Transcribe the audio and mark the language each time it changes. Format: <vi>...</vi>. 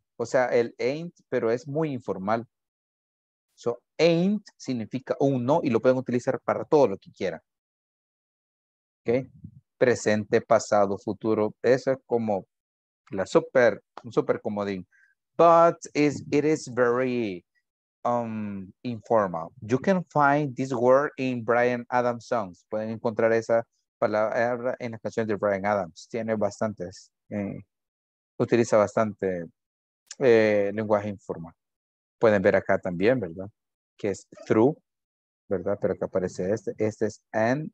<es>O sea, el ain't, pero es muy informal. So, ain't significa un no y lo pueden utilizar para todo lo que quieran. ¿Ok? Presente, pasado, futuro. Eso es como la super, un super comodín.</es> <en>But it is very informal. You can find this word in Bryan Adams songs.</en> <es>Pueden encontrar esa palabra en las canciones de Bryan Adams. Tiene bastantes. Utiliza bastante lenguaje informal. Pueden ver acá también, ¿verdad? Que es through, ¿verdad? Pero acá aparece este. Este es and.</es>